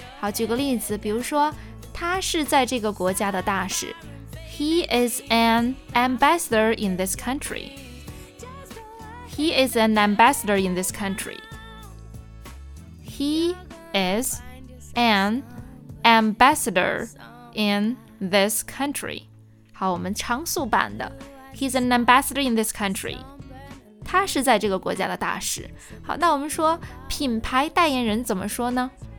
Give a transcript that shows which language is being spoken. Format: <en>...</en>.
<zh>好，举个例子，比如说他是在这个国家的大使，</zh> <en>He is an ambassador in this country. He is an ambassador in this country. He is anAmbassador in this country.</en> <zh>好，我们常速版的</zh> <en>He's an ambassador in this country.</en> <zh>他是在这个国家的大使。好，那我们说品牌代言人怎么说呢？</zh>